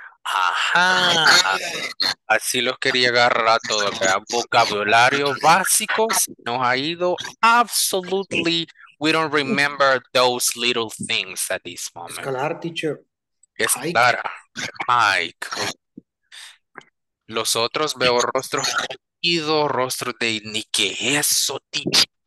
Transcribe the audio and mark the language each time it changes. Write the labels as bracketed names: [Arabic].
[Spanish] Ajá, así los quería agarrar a todos, ¿verdad? Vocabulario básico se nos ha ido. [English] Absolutely, we don't remember those little things at this moment. [Spanish] Escalar, teacher. Escalar, Mike. Los otros veo rostros caídos, rostros de ni que eso, teacher.